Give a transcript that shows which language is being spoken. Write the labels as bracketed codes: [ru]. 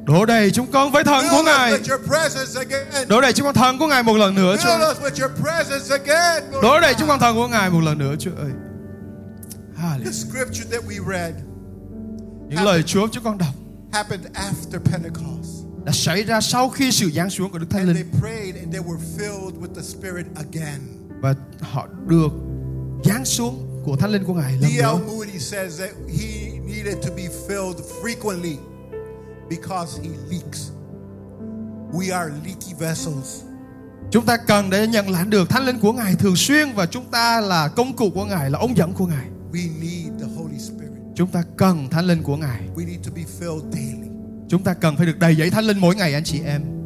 [vi] Đổ đầy chúng con với thần của Ngài. Đổ đầy chúng con thần của Ngài một lần nữa, Chúa. Đổ đầy chúng con thần của Ngài một lần nữa, Chúa ơi. [en] The scripture that we read. [vi] Những lời Chúa chúng con đọc. [en] Happened after Pentecost. [vi] Đã xảy ra sau khi sự giáng xuống của Đức Thánh Linh. [en] They prayed and they were filled with the Spirit again. [vi] Và họ được giáng xuống của Thánh Linh của Ngài lần nữa. [en] D.L. Moody says that he needed to be filled frequently. Because he leaks, we are leaky vessels. [vi] Chúng ta cần để nhận lãnh được Thánh Linh của Ngài thường xuyên và chúng ta là công cụ của Ngài, là ống dẫn của Ngài. [en] We need the Holy Spirit. [vi] Chúng ta cần Thánh Linh của Ngài. [en] We need to be filled daily. [vi] Chúng ta cần phải được đầy dẫy Thánh Linh mỗi ngày, anh chị em.